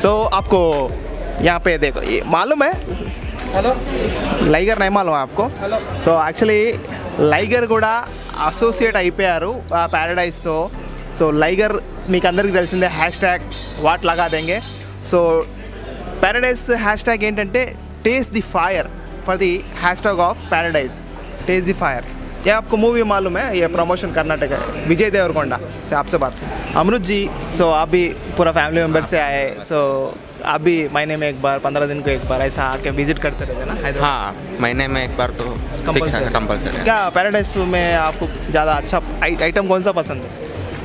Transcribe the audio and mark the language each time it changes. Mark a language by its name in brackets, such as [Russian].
[Hindi] सो आपको यहाँ पे देखो, ये मालूम है हेलो लाइगर? नहीं मालूम आपको? हेलो. [English] so actually [Telugu] లైగర్ కూడా అసోసియేట్ అయిపోయారు ప్యారడైస్తో. సో లైగర్ మీకు అందరికీ తెలిసిందే hash tag [Hindi] what లగా దెంగే. [English] So Paradise hashtag ఏంటంటే taste the fire, for the hashtag of Paradise taste the fire. [Hindi] ये आपको मूवी मालूम है, ये प्रमोशन कर्नाटक है, विजय देवरकोंडा से आपसे बात. अमृत जी, सो आप भी पूरा फैमिली मेम्बर से आए, सो आप भी महीने में एक बार 15 दिन को एक बार ऐसा आके विजिट करते रहते ना? हाँ, महीने में एक बार तो कंपलसरी. क्या पैराडाइज में आपको ज़्यादा अच्छा आइटम कौन सा पसंद है?